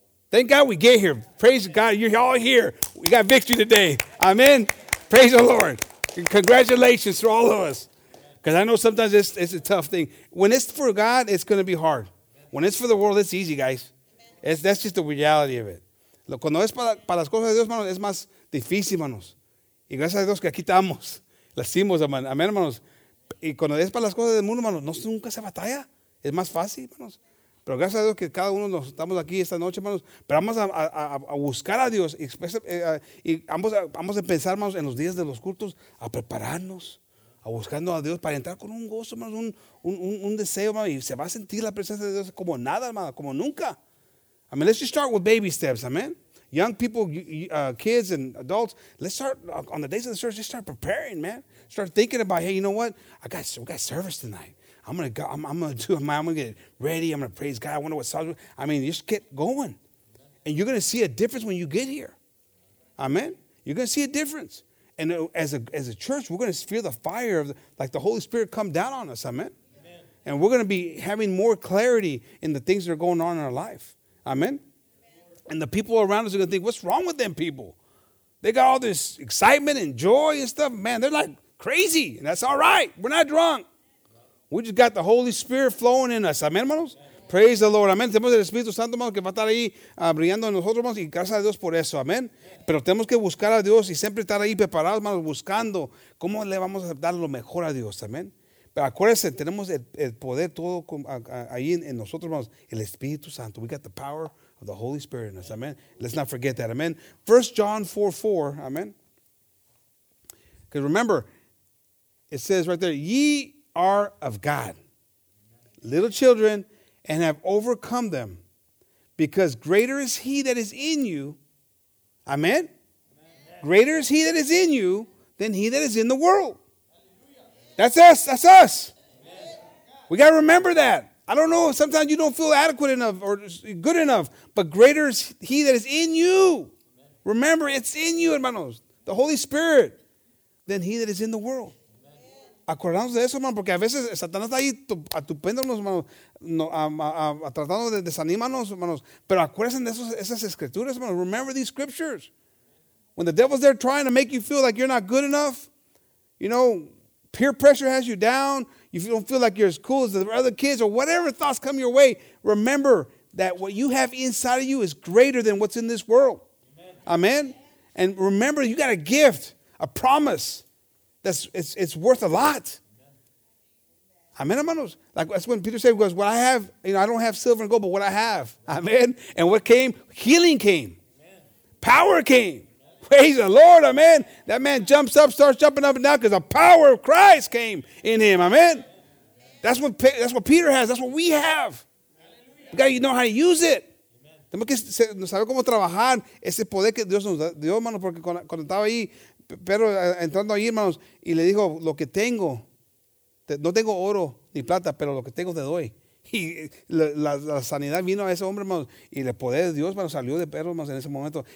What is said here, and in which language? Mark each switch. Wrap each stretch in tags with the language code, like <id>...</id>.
<en>Thank God we get here. Praise God. You're all here. We got victory today. Amen. Praise the Lord. Congratulations to all of us. Because I know sometimes it's a tough thing. When it's for God, it's going to be hard. When it's for the world, it's easy, guys. That's just the reality of it.</en> <es>Cuando es para las cosas de Dios, hermanos, es más difícil, hermanos. Y gracias a Dios que aquí estamos. Lacimos, hermanos. Amén, hermanos. Y cuando es para las cosas del mundo, hermanos, no nunca se batalla. Es más fácil, hermanos. Pero gracias a Dios que cada uno nos estamos aquí esta noche, hermanos. Pero vamos a buscar a Dios. Y vamos a pensar, hermanos, en los días de los cultos, a prepararnos, a buscando a Dios para entrar con un gozo, hermanos, un deseo, hermanos. Y se va a sentir la presencia de Dios como nada, hermanos, como nunca.</es> <en>I mean, let's just start with baby steps, amen. Young people, kids and adults, let's start on the days of the service, just start preparing, man. Start thinking about, hey, you know what? We got service tonight. I'm gonna get ready. I'm gonna praise God. I wonder what song. I mean, just get going, and you're gonna see a difference when you get here. Amen. You're gonna see a difference, and as a church, we're gonna feel the fire of the Holy Spirit come down on us. Amen? Amen. And we're gonna be having more clarity in the things that are going on in our life. Amen. Amen. And the people around us are gonna think, what's wrong with them people? They got all this excitement and joy and stuff. Man, they're like crazy, and that's all right. We're not drunk. We just got the Holy Spirit flowing in us.</en> <es>Amén, hermanos.</es> <en>Praise the Lord. Amén.</en> <es>Tenemos el Espíritu Santo, hermanos, que va a estar ahí brillando en nosotros, hermanos, y gracias a Dios por eso. Amén. Pero tenemos que buscar a Dios y siempre estar ahí preparados, hermanos, buscando cómo le vamos a dar lo mejor a Dios. Amén. Pero acuérdense, tenemos el poder todo ahí en nosotros, hermanos, el Espíritu Santo.</es> <en>We got the power of the Holy Spirit in us. Amén. Let's not forget that. Amén. 1 John 4:4. Amén. Because remember, it says right there, ye are of God, little children, and have overcome them, because greater is he that is in you, amen? Amen. Greater is he that is in you than he that is in the world. Hallelujah. That's us. That's us. Amen. We got to remember that. I don't know. Sometimes you don't feel adequate enough or good enough, but greater is he that is in you. Amen. Remember, it's in you, hermanos, the Holy Spirit, than he that is in the world.</en> <es>Acordarnos de eso, hermano, porque a veces Satanás está ahí atupéndonos, hermano, tratando de desanimarnos, hermanos. Pero acuérdense de esas escrituras, hermano.</es> <en>Remember these scriptures. When the devil's there trying to make you feel like you're not good enough, you know, peer pressure has you down, you don't feel like you're as cool as the other kids or whatever thoughts come your way, remember that what you have inside of you is greater than what's in this world. Amen? And remember, you got a gift, a promise. It's worth a lot. Amen, hermanos. Like that's when Peter said, what I have, you know, I don't have silver and gold, but what I have. Amen. And what came? Healing came. Power came. Praise the Lord. Amen. That man jumps up, starts jumping up and down because the power of Christ came in him. Amen. That's what Peter has. That's what we have. You got to know how to use it.</en> <es>Tenemos que saber cómo trabajar ese poder que Dios nos dio, hermano, porque cuando estaba ahí, pero entrando ahí, hermanos, y le dijo, lo que tengo, no tengo oro ni plata, pero lo que tengo te doy. Y la sanidad vino a ese hombre, hermanos, y el poder de Dios, hermanos, salió de perro, hermanos, en ese momento.</es>